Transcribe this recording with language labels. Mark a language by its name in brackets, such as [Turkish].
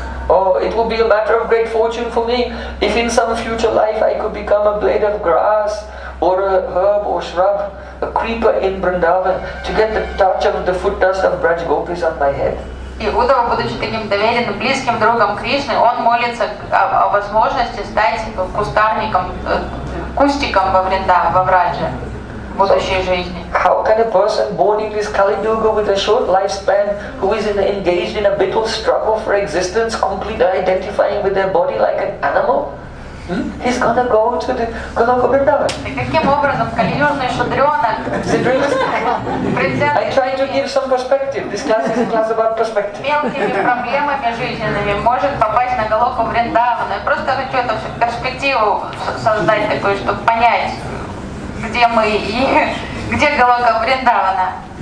[English] Oh, it would be a matter of great fortune for me if in some future life I could become a blade of grass or a herb or shrub, a creeper in Vrindavan, to get the touch of the foot dust of Braj Gopis on my head. [Russian] И Удава, будучи таким доверенным, близким другом Кришны, он молится о возможности стать кустарником, кустиком во Вриндаване, во Врадже, в будущей жизни. [English] How can a person born in this Kali Yuga with a short lifespan, who is engaged in a bitter struggle for existence, completely identifying with their body like an animal? He's gonna go to the Goloka Vrindavan. [Russian] Каким образом кальюжный шудрёнок? [English] I try to give some perspective. This class is a class about perspective. [Russian] Мелкими проблемами жизненными может попасть на Голоку Вриндавана. Я просто хочу эту перспективу создать такую, чтобы понять, где мы и где Голока Вриндавана.